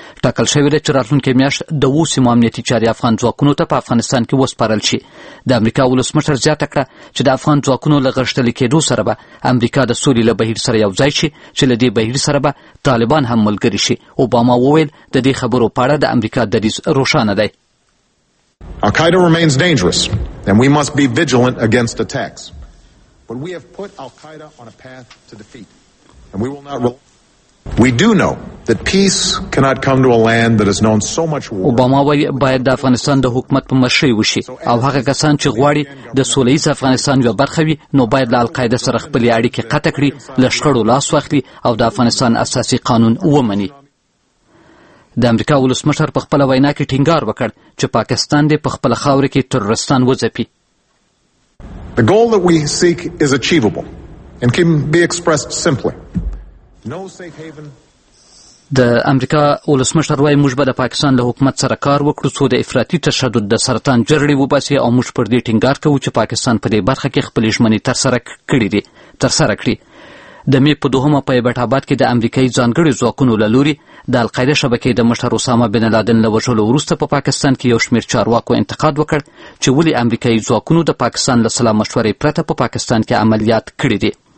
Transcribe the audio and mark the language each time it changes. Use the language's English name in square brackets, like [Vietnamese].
[Pashto] ټاکل شوې ده چې راتلونکې میاشت د وو سیمو امنیتي چارې افغان ځواکونو ته په افغانستان کې وسپارل شي. د امریکا ولسمشر زیاته کړه چې د افغان ځواکونو له غشتل کېدو سره به امریکا د سولې له بهیر سره یوځای شي چې له دې بهیر سره به طالبان هم ملګري شي. اوباما وویل د دې خبرو په اړه د امریکا دریځ روښانه دی. [English] القاعده remains dangerous and we must be vigilant against attacks. But we have put al-Qaeda on a path to defeat and we will not rule. We do know that peace cannot come to a land that has known so much war. [Pashto] Obama وی باید د افغانستان د حکومت په مشرۍ وشي او هغه کسان چې غواړي د سولې ایز افغانستان یو برخه وي نو باید د القاعده سره خپل اړیکه قطع کړي، لشکړو لاس واخلي او د افغانستان اساسي قانون ومني. د امریکا ولسمشر په خپل وینا کې ټینګار وکړ چې پاکستان دې په خپل خاور کې ترورستان وځپي. [English] The goal that we seek is achievable and can be expressed simply. No safe haven. [Pashto] د امریکا ولسمشر وای موږ به د پاکستان له حکومت سره کار وکړو څو د افراطي تشدد د سرطان جرړې وباسي او موږ پر دې ټینګار کوو چې پاکستان په دې برخه کې خپلې ژمنې تر سره کړي. د می په دوهمه په بټاباد کې د امریکایي ځانګړي ځواکونو له لوري د القاعده شبکې د مشر اسامه بن لادن له وژلو وروسته په پاکستان کې یو شمیر چارواکو انتقاد وکړ چې ولې امریکایي ځواکونو د پاکستان له سلام مشورې پرته په پاکستان کې عملیات کړي دي.